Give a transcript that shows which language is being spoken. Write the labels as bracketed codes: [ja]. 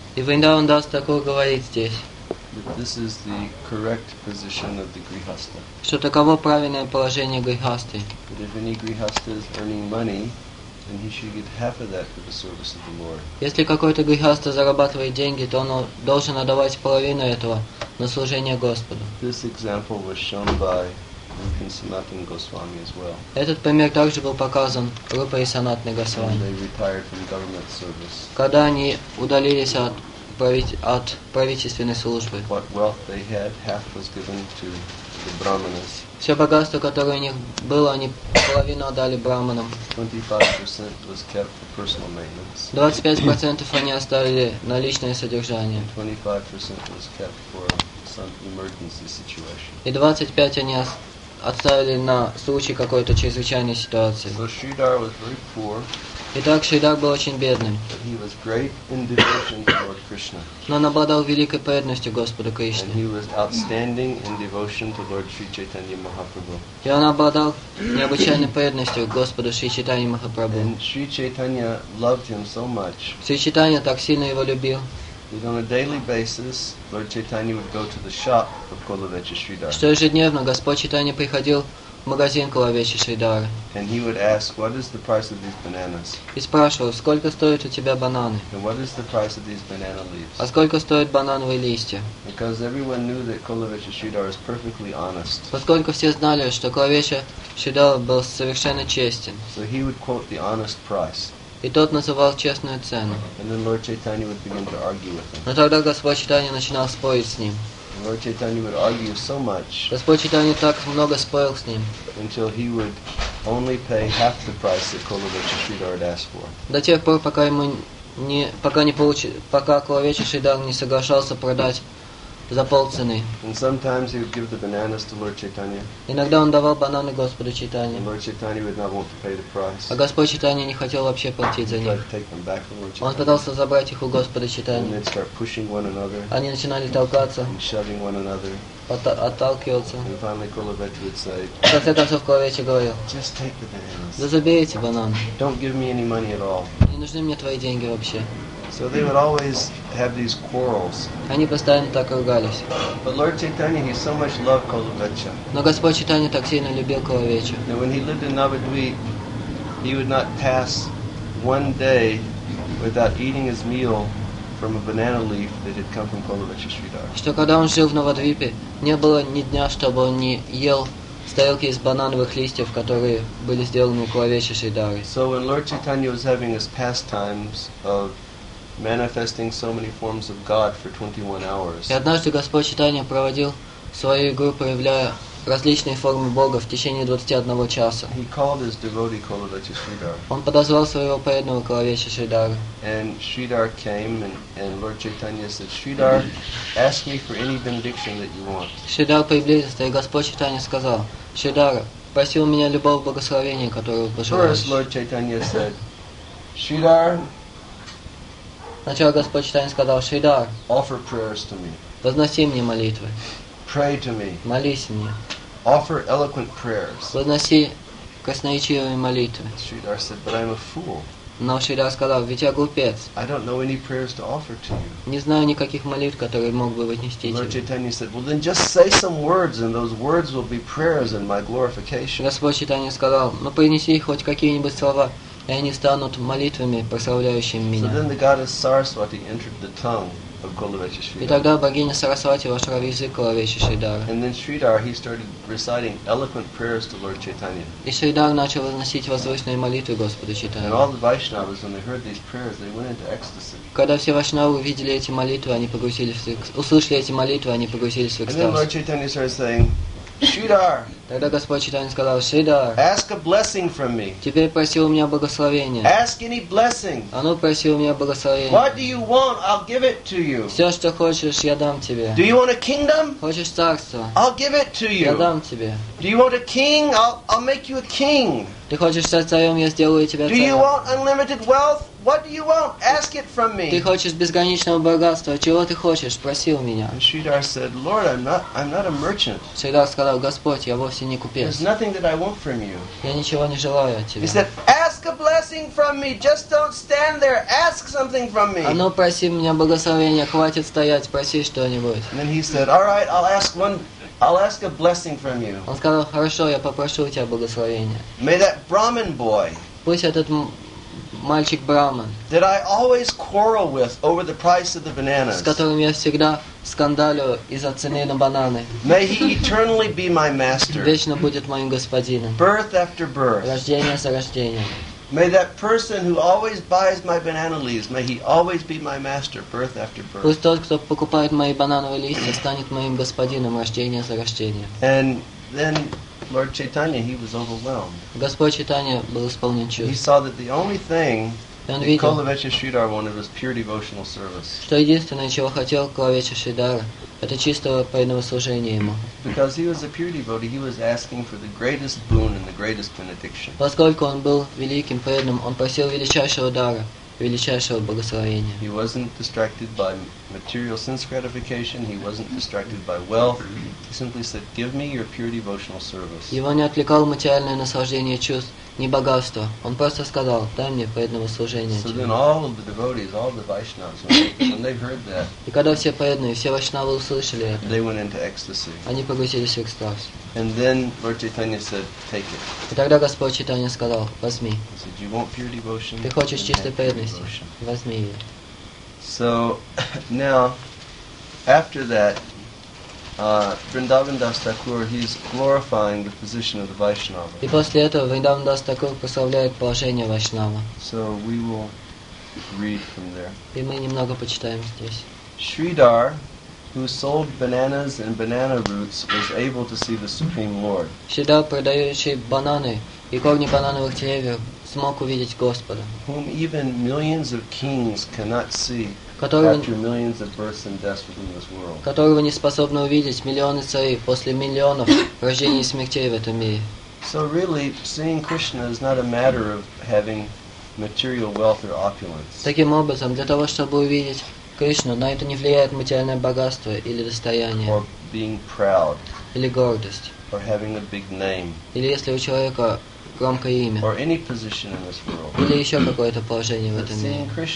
[ru] И Вриндаван Дас Такур говорит здесь. [en] That this is the correct position of the grihastha. [ru] Что таково правильное положение грихасты. [en] That if any grihastha is earning money, then he should get half of that for the service of the Lord. [ru] Если какой-то грихастха зарабатывает деньги, то он должен отдавать половину этого на служение Господу. [en] This example was shown by Rupa and Sanatana Goswami as well. [ru] Этот пример также был показан Рупа и Санатана Госвами. [en] They retired from government service. [ru] Когда они удалились от правительственной службы. [en] What wealth they had, half was given to the brahmanas. [ru] Все богатство, которое у них было, они половину отдали брахманам. [en] 25% was kept for personal maintenance. [ru] 25% они оставили на личное содержание. [en] 25% was kept for some emergency situation. [ru] И 25 они отставили на случай какой-то чрезвычайной ситуации. [en] So Sridhar was very poor. [ru] Итак, Шридхар был очень бедным. [en] He was great in devotion to Lord Krishna. [ru] Но он обладал великой преданностью Господу Кришне. [en] And he was outstanding in devotion to Lord Sri Chaitanya Mahaprabhu. [ru] И он обладал необычайной преданностью Господу Шри Чайтанья Махапрабху. [en] And Sri Chaitanya loved him so much. [ru] Шри Чайтанья так сильно его любил. [en] That on a daily basis, Lord Chaitanya would go to the shop of Kulavecha Sridhar. [ru] Что ежедневно Господь Чайтанья приходил в магазин Кулавечи Шридхары. [en] And he would ask, what is the price of these bananas? [ru] И спрашивал, сколько стоят у тебя бананы? [en] And what is the price of these banana leaves? [ru] А сколько стоят банановые листья? [en] Because everyone knew that Kulavecha Sridhar is perfectly honest. [ru] Поскольку все знали, что Кулавечи Шридхар был совершенно честен. [en] So he would quote the honest price. [ru] И тот называл честную цену. [en] And then Lord Chaitanya would begin to argue with him. [ru] Но тогда Господь Чайтанья начинал спорить с ним. [en] Lord Chaitanya would argue so much. [ru] Господь Чайтанья так много спорил с ним. [en] Until he would only pay half the price that Kulavecha Sridhar had asked for. [ru] До тех пор, пока ему не, пока не получи, пока Кулавечи Шридхар не соглашался продать за полцены. [en] And sometimes he would give the bananas to Lord Chaitanya. [ru] Иногда он давал бананы Господу Чайтанье. [en] Lord Chaitanya would not want to pay the price. [ru] А Господь Чайтанья не хотел вообще платить за них. [en] He tried to take them back from Lord Chaitanya. [ru] Он пытался забрать их у Господа Чайтанья. [en] And they'd start pushing one another. [ru] Они начинали толкаться. [en] And shoving one another. [ru] Отталкивался. [en] And finally Kulavecha would say, just take the bananas. [ru] Да забей эти бананы. [en] Don't give me any money at all. [ru] Не нужны мне твои деньги вообще. [en] So they would always have these quarrels. [ru] Они постоянно так ругались. [en] But Lord Chaitanya, he so much loved Kulavecha. [ru] Но Господь Чайтанья так сильно любил Кулавечу. [en] And when he lived in Navadvip, he would not pass one day without eating his meal from a banana leaf that had come from Kulavecha Sridhar. [ru] Что когда он жил в Навадвипе, не было ни дня, чтобы он не ел с тарелки из банановых листьев, которые были сделаны Кулавечи Шридхары. [en] So when Lord Chaitanya was having his pastimes of manifesting so many forms of God for 21 hours. [ru] И однажды Господь Чайтанья проводил свою игру, проявляя различные формы Бога в течение 21 часа. [en] He called his devotee Kulavechi Sridhar. [ru] Он подозвал своего преданного Кулавечи Шридхару. [en] And Sridhar came, and Lord Chaitanya said, Sridhar, ask me for any benediction that you want. [ru] Шридхар приблизился, и Господь Чайтанья сказал, Шридхар, проси у меня любого благословения, которое пожелаешь. [en] First, Lord Chaitanya said, Sridhar, [ru] сначала Господь Чайтанья сказал, Шридхар, [en] offer prayers to me. [ru] Возноси мне молитвы. [en] Pray to me. [ru] Молись мне. [en] Offer eloquent prayers. [ru] Возноси красноречивые молитвы. [en] Шридхар said, but I'm a fool. [ru] Но Шридхар сказал, ведь я глупец. [en] I don't know any prayers to offer to you. [ru] Не знаю никаких молитв, которые мог бы вознести тебе. [en] Lord Chaitanya said, well then just say some words and those words will be prayers and my glorification. [ru] Господь Чайтанья сказал, ну принеси хоть какие-нибудь слова. И они станут молитвами, прославляющими меня. [en] So then the goddess Saraswati entered the tongue of Kulavechi Sridhara. [ru] И тогда богиня Сарасвати вошла в язык Кулавечи Шридхары. [en] And then Sridhar, he started reciting eloquent prayers to Lord Chaitanya. [ru] И Шридхар начал возносить возвышенные молитвы Господу Чайтанье. [en] And all the Vaishnavas, when they heard these prayers, they went into ecstasy. [ru] Когда все Вайшнавы увидели эти молитвы, они погрузились в экстаз. Услышали эти молитвы, они погрузились в экстаз. [en] And then Lord Chaitanya started saying, Sridhar. [ru] Тогда Господь Чайтанья сказал, Шридхар, [en] ask a blessing from me. [ru] Теперь проси у меня благословение. [en] Ask any blessing. [ru] А ну проси у меня благословение. [en] What do you want? I'll give it to you. [ru] Все, что хочешь, я дам тебе. [en] Do you want a kingdom? [ru] Хочешь царство? [en] I'll give it to you. [ru] Я дам тебе. [en] Do you want a king? I'll make you a king. [ru] Ты хочешь стать царем? Я сделаю тебя царем. [en] Do you want unlimited wealth? What do you want? Ask it from me. [ru] Ты хочешь безграничного богатства? Чего ты хочешь? Спроси у меня. [en] And Sridhar said, Lord, I'm not a merchant. [ru] Шридхар сказал, Господь, я вовсе не купец. [en] There's nothing that I want from you. [ru] Я ничего не желаю от тебя. [en] He said, ask a blessing from me. Just don't stand there. Ask something from me. [ru] А ну проси меня благословения. Хватит стоять. Спроси что-нибудь. [en] And then he said, all right, I'll ask a blessing from you. [ru] Он сказал, хорошо, я попрошу у тебя благословения. [en] May that Brahmin boy. [ru] Пусть этот мальчик Браман, [en] that I always quarrel with over the price of the bananas, [ru] с которым я всегда скандалю из-за цены на бананы, [en] may he eternally be my master, [ru] вечно будет моим господином, [en] birth after birth, [ru] рождение за рождением, [en] may that person who always buys my banana leaves, may he always be my master, birth after birth, [ru] пусть тот, кто покупает мои банановые листья, станет моим господином, рождение за рождением. [en] And then Lord Chaitanya, he was overwhelmed. [ru] Господь Чайтанья был исполнен чувств. [en] He saw that the only thing that Kulavechi Sridhara wanted was pure devotional service. [ru] Что единственное, чего хотел Кулавечи Шридхара, это чистого преданного служения ему. [en] Because he was a pure devotee, he was asking for the greatest boon and the greatest benediction. [ru] Поскольку он был великим преданным, он просил величайшего дара, величайшего благословения. [en] He wasn't distracted by material sense gratification. He wasn't distracted by wealth. He simply said, "Give me your pure devotional service." [ru] Его не отвлекало материальное наслаждение чувств, ни богатство. Он просто сказал, "Дай мне преданного служения." [en] So then all of the devotees, all the Vaishnavas, when they heard that, [ru] и когда все преданные, все Вайшнавы услышали это, [en] they went into ecstasy. [ru] Они погрузились в экстаз. [en] And then Lord Chaitanya said, "Take it." [ru] И тогда Господь Чайтанья сказал, "Возьми." [en] He said, "You want pure devotion? [ru] Ты хочешь чистой преданности? Возьми ее." [en] So now, after that, Vrindavan Das Thakur, he's glorifying the position of the Vaishnava. [ru] И после этого Vrindavan Das Thakur прославляет положение Вайшнава. [en] So we will read from there. [ru] И мы немного почитаем здесь. [en] Sridhar, who sold bananas and banana roots, was able to see the Supreme Lord. [ru] Sridhar, продающий бананы и корни банановых деревьев, смог увидеть Господа, [en] whom even millions of kings cannot see, [ru] которого, [en] after millions of births and deaths within this world, [ru] которого не способны увидеть миллионы царей после миллионов рождений и смертей в этом мире. [en] So really, seeing Krishna is not a matter of having material wealth or opulence. [ru] Таким образом, для того чтобы увидеть Кришну, на это не влияет материальное богатство или достояние, [en] or being proud, [ru] или гордость, [en] or having a big name, [ru] или если у человека громкое имя, [en] or any position in this world, [ru] или еще какое-то положение в этом мире.